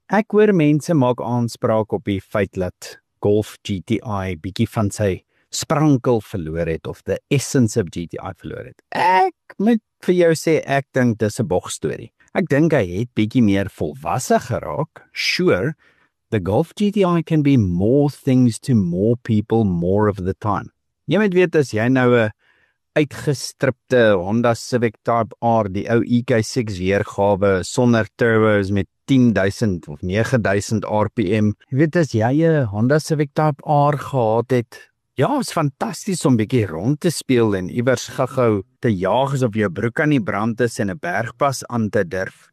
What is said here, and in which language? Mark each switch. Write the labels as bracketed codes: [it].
[af] Ek hoor mense maak aanspraak op die feit dat Golf GTI bietjie van sy sprankel verloor het of [en] the essence of GTI [af] verloor het. Ek moet vir jou sê, ek dink dis 'n bogstorie. Ek dink hy het bietjie meer volwasse geraak. [en] Sure, the Golf GTI can be more things to more people more of the time. [af] Jy moet weet as jy nou 'n uitgestripte Honda Civic Type R, die ou EK6 weergawe sonder turbos met 10,000 of 9,000 RPM. Jy weet as jy 'n Honda Civic Type R gehad het, ja, is fantasties om bietjie rond te speel en iewers gou-gou te jaag as of jou broek aan die brand is en 'n bergpas aan te durf.